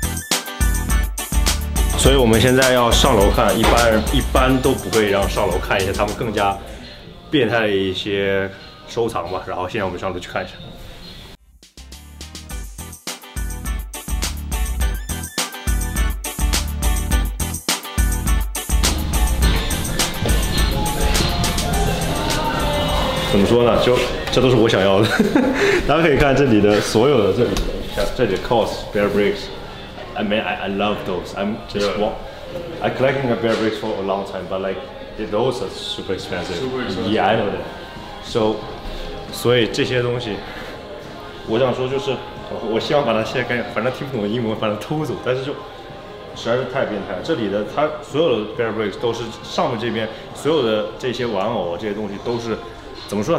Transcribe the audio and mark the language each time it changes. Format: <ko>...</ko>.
<en>So we're now going to go up to the roof. Usually, people don't go up to the roof to see their more crazy stuff.</en> <zh>收藏吧，然后现在我们上楼去看一下。怎么说呢？就这都是我想要的。大家可以看这里的所有的这里，像这里的 cost bare bricks。</zh> <en>I mean, I love those. I'm just want. I collecting a bare bricks for a long time, but like those are super expensive. Super expensive. Yeah, I know that. So.</en> <zh>所以这些东西，我想说就是，我希望把它现在跟反正听不懂的英文，反正偷走。但是就实在是太变态了。这里的它所有的 bare bricks 都是上面这边所有的这些玩偶这些东西都是怎么说？</zh>